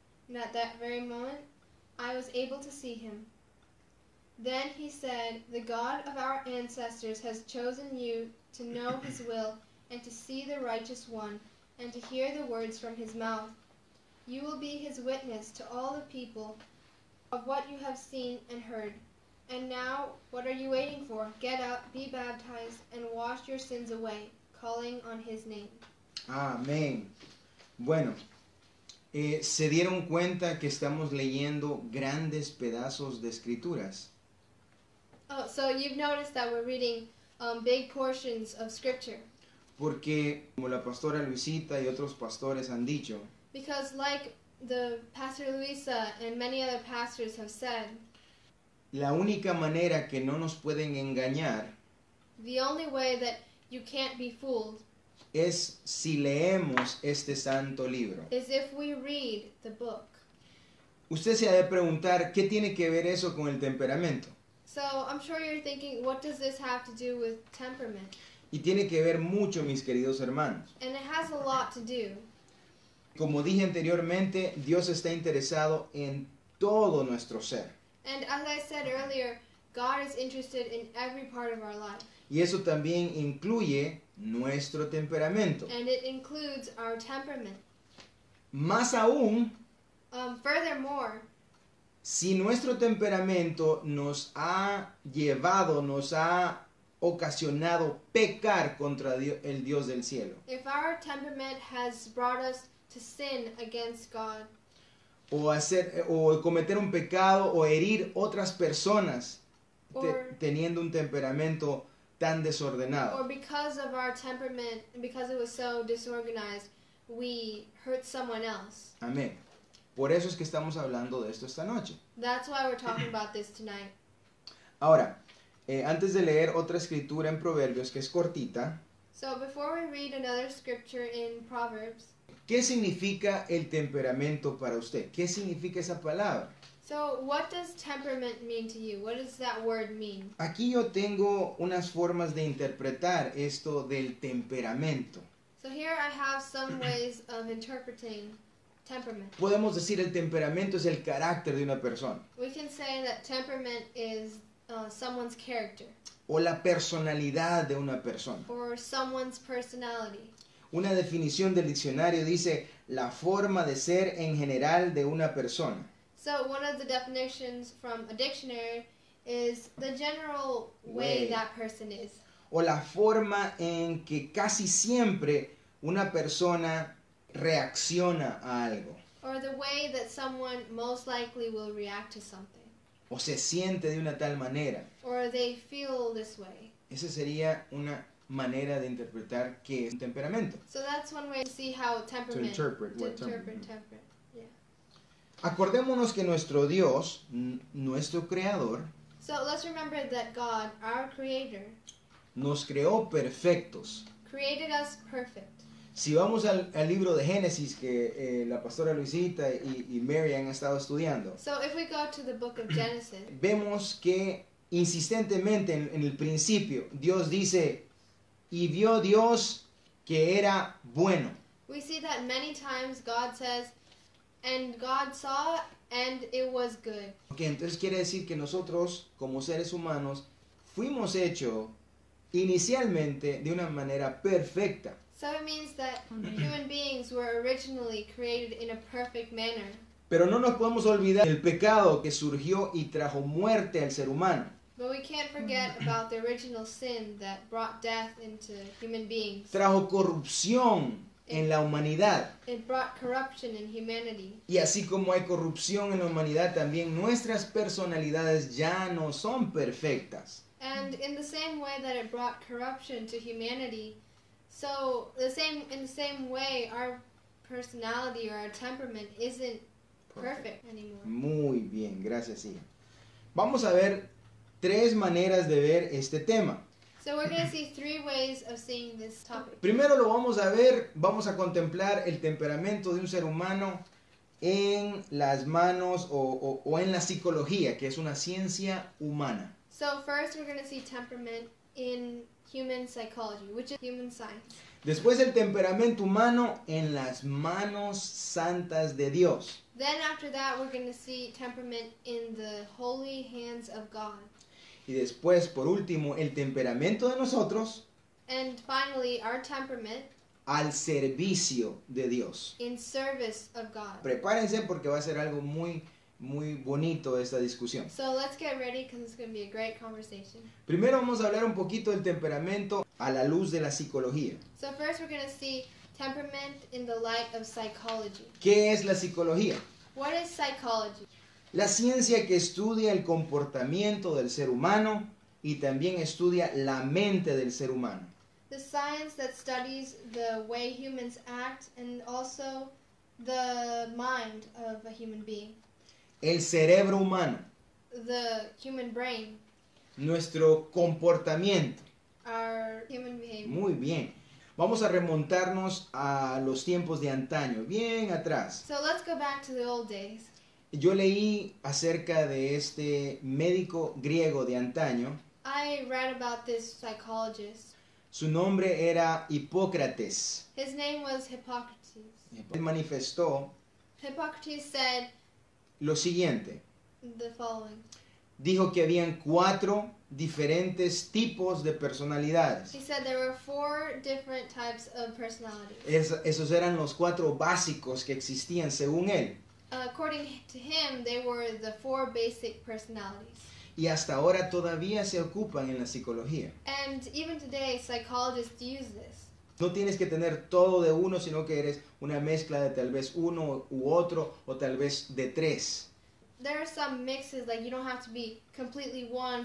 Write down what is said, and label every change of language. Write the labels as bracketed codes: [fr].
[en] And at that very moment, I was able to see him. Then he said, The God of our ancestors has chosen you to know his will and to see the righteous one and to hear the words from his mouth. You will be his witness to all the people of what you have seen and heard. And now, what are you waiting for? Get up, be baptized, and wash your sins away, calling on his name. [es] Amén. Bueno, ¿se dieron cuenta que estamos leyendo grandes pedazos de escrituras? [en] Oh, so you've noticed that we're reading big portions of scripture. [es] Porque, como la pastora Luisita y otros pastores han dicho. [en] Because like the pastor Luisa and many other pastors have said. [es] La única manera que no nos pueden engañar. [en] The only way that you can't be fooled. [es] Es si leemos este santo libro. [en] Is if we read the book. [es] Usted se ha de preguntar, ¿qué tiene que ver eso con el temperamento? [en] So, I'm sure you're thinking, what does this have to do with temperament? [es] Y tiene que ver mucho, mis queridos hermanos. [en] And it has a lot to do. [es] Como dije anteriormente, Dios está interesado en todo nuestro ser. [en] And as I said earlier, God is interested in every part of our life. [es] Y eso también incluye nuestro temperamento. [en] And it includes our temperament. [es] Más aún. [en] Furthermore. [es] Si nuestro temperamento nos ha llevado, nos ha ocasionado pecar contra el Dios del cielo. [en] If our temperament has brought us to sin against God. [es] O cometer un pecado o herir otras personas teniendo un temperamento tan desordenado. [en] Or because of our temperament, because it was so disorganized, we hurt someone else. [es] Amén. Por eso es que estamos hablando de esto esta noche. [en] That's why we're talking about this tonight. [es] Ahora, antes de leer otra escritura en Proverbios que es cortita. [en] So before we read another scripture in Proverbs. [es] ¿Qué significa el temperamento para usted? ¿Qué significa esa palabra? [en] So what does temperament mean to you? What does that word mean? [es] Aquí yo tengo unas formas de interpretar esto del temperamento. [en] So here I have some ways of interpreting. Temperament. [es] Podemos decir el temperamento es el carácter de una persona. [en] We can say that temperament is someone's character. [es] O la personalidad de una persona. [en] Or someone's personality. [es] Una definición del diccionario dice la forma de ser en general de una persona. [en] So one of the definitions from a dictionary is the general way that person is. [es] O la forma en que casi siempre una persona reacciona a algo. [en] Or the way that someone most likely will react to something. [es] O se siente de una tal manera. [en] Or they feel this way. [es] Esa sería una manera de interpretar qué es un temperamento. [en] So that's one way to see how temperament. To interpret what temperament. Temperament. Yeah. [es] Acordémonos que nuestro Dios, nuestro creador. [en] So let's remember that God, our creator, [es] nos creó perfectos. [en] Created us perfect. [es] Si vamos al libro de Génesis que la pastora Luisita y Mary han estado estudiando, [en] so if we go to the book of Genesis, [es] vemos que insistentemente en el principio Dios dice, y vio Dios que era bueno. [en] We see that many times God says, and God saw, and it was good. [es] Okay, entonces quiere decir que nosotros, como seres humanos, fuimos hechos inicialmente de una manera perfecta. [en] So it means that human beings were originally created in a perfect manner. [es] Pero no nos podemos olvidar el pecado que surgió y trajo muerte al ser humano. [en] But we can't forget about the original sin that brought death into human beings. [es] Trajo corrupción en la humanidad. [en] It brought corruption in humanity. [es] Y así como hay corrupción en la humanidad, también nuestras personalidades ya no son perfectas. [en] And in the same way that it brought corruption to humanity, so in the same way our personality or our temperament isn't perfect anymore. [es] Muy bien, gracias, hija. Vamos a ver tres maneras de ver este tema. [en] So we're going to see three ways of seeing this topic. [es] Primero lo vamos a ver, vamos a contemplar el temperamento de un ser humano en las manos o en la psicología, que es una ciencia humana. [en] So first we're going to see temperament in human psychology, which is human science. [es] Después el temperamento humano en las manos santas de Dios. [en] Then after that we're going to see temperament in the holy hands of God. [es] Y después, por último, el temperamento de nosotros. [en] And finally, our temperament. [es] Al servicio de Dios. [en] In service of God. [es] Prepárense porque va a ser algo muy, muy bonito esta discusión. [en] So let's get ready because it's going to be a great conversation. [es] Primero vamos a hablar un poquito del temperamento a la luz de la psicología. [en] So first we're going to see temperament in the light of psychology. [es] ¿Qué es la psicología? [en] What is psychology? [es] La ciencia que estudia el comportamiento del ser humano y también estudia la mente del ser humano. [en] The science that studies the way humans act and also the mind of a human being. [es] El cerebro humano. [en] The human brain. [es] Nuestro comportamiento. [en] Our human behavior. [es] Muy bien. Vamos a remontarnos a los tiempos de antaño, bien atrás. [en] So let's go back to the old days. [es] Yo leí acerca de este médico griego de antaño. [en] I read about this psychologist. [es] Su nombre era Hipócrates. [en] His name was Hippocrates. [es] Él manifestó. [en] Hippocrates said. [es] Lo siguiente. [en] The following. [es] Dijo que habían cuatro diferentes tipos de personalidades. [en] He said there were four different types of personalities. [es] Esos eran los cuatro básicos que existían según él. [en] According to him, they were the four basic personalities. [es] Y hasta ahora todavía se ocupan en la psicología. [en] And even today, psychologists use this. [es] No tienes que tener todo de uno, sino que eres una mezcla de tal vez uno u otro, o tal vez de tres. [en] There are some mixes, like you don't have to be completely one.